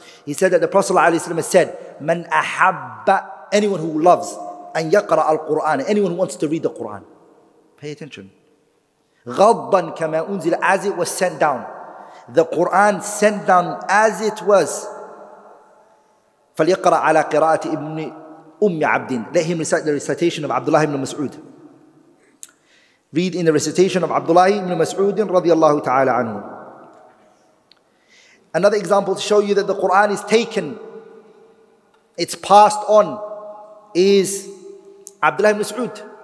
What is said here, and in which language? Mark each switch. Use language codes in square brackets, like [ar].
[en] He said that the Prophet ﷺ said, [ar] مَنْ أَحَبَّ, [en] anyone who loves, and [ar] يقرأ القرآن, [en] anyone who wants to read the Quran, pay attention. [ar] غضبًا كما أنزل, [en] as it was sent down, the Quran sent down as it was. [ar] فليقرأ على قراءة ابن أم عبد. [en] Let him recite the recitation of Abdullah ibn Mas'ud. Read in the recitation of Abdullah ibn Mas'ud [ar] رضي الله تعالى عنه. [en] Another example to show you that the Quran is taken, it's passed on, is Abdullah ibn Mas'ud.